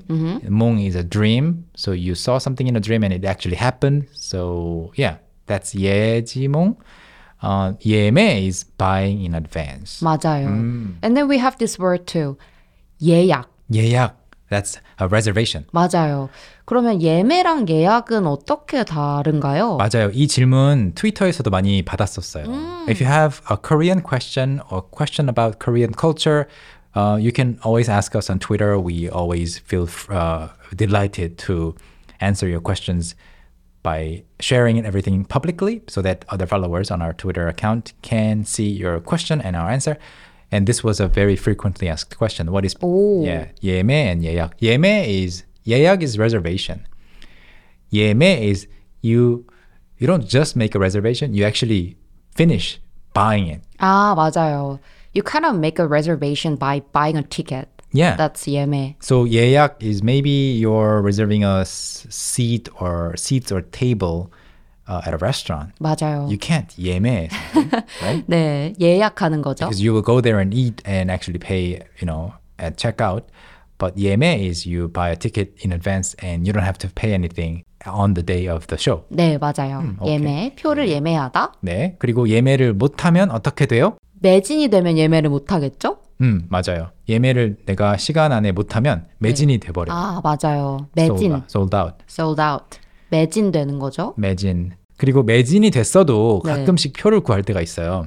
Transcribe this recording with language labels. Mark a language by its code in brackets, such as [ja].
[en] mm-hmm. 몽 is a dream. So you saw something in a dream and it actually happened. So yeah, that's 예지몽. 예매 is buying in advance. [ko] 맞아요. Mm. [en] And then we have this word too, 예약. 예약. That's a reservation. [ko] 맞아요. 그러면 예매랑 예약은 어떻게 다른가요? 맞아요. 이 질문 트위터에서도 많이 받았었어요. [en] If you have a Korean question or question about Korean culture, you can always ask us on Twitter. We always feel delighted to answer your questions by sharing everything publicly so that other followers on our Twitter account can see your question and our answer. And this was a very frequently asked question. What is 예매 and 예약? 예매 is, 예약 is reservation. 예매 is you don't just make a reservation, you actually finish buying it. [ko] 아, 맞아요. [en] You kind of make a reservation by buying a ticket. Yeah. That's 예매. So 예약 is maybe you're reserving a seats or table at a restaurant. [ko] 맞아요. [en] You can't 예매. Right? [ko] 네, 예약하는 거죠. [en] Because you will go there and eat and actually pay, you know, at checkout. But 예매 is you buy a ticket in advance and you don't have to pay anything on the day of the show. [ko] 네, 맞아요. Okay. 예매, 표를 예매하다. 네, 그리고 예매를 못하면 어떻게 돼요? 매진이 되면 예매를 못하겠죠? 맞아요. 예매를 내가 시간 안에 못하면 매진이 네. 돼버려요. 아, 맞아요. 매진. [en] Sold out. [ko] 매진되는 거죠. 매진. 그리고 매진이 됐어도 네. 가끔씩 표를 구할 때가 있어요.